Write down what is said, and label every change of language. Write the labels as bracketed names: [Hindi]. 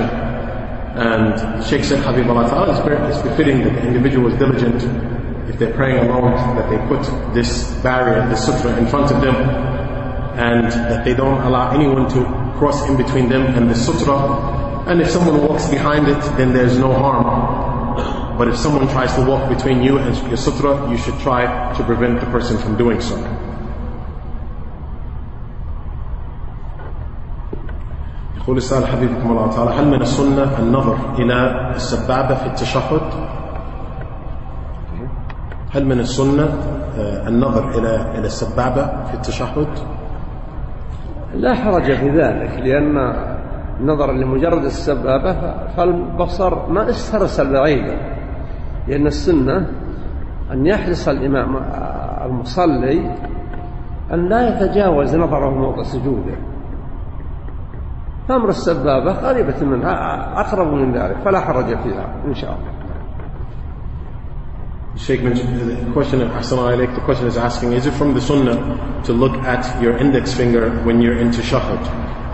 [English] And Shaykh said, Habib Allah Ta'ala, it's befitting that the individual is diligent, if they're praying alone, that they put this barrier, this sutra, in front of them, and that they don't allow anyone to cross in between them and the sutra. And if someone walks behind it, then there's no harm. But if someone tries to walk between you and your sutra, you should try to prevent the person from doing so. [Arabic] قول السائل حبيبكم الله تعالى هل من السنة النظر إلى السبابة في التشهد؟ هل من السنة النظر إلى السبابة في التشهد؟ لا حرج في ذلك، لأن نظر لمجرد السبابة فالبصر ما استرسى بعيدا، لأن السنة أن يحرص الإمام المصلي أن لا يتجاوز نظره موضع سجوده، فأمر السبابة قريبة منها، أقرب من ذلك، فلا حرج فيها إن شاء الله. [English] Sheikh mentioned the question. [Arabic] Ahsan alaik. [English] The question is asking: is it from the Sunnah to look at your index finger when you're in tashahhud?